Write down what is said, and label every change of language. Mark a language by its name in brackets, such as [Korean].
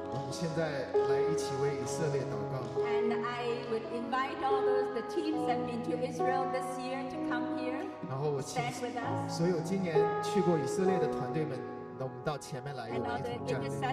[Chinese] 现在来一起为以色列祷告。 [English] And I would invite all those the teams that have been to Israel this year to come here. [Chinese] 然后我请所有今年去过以色列的团队们，那我们到前面来，我们一同站。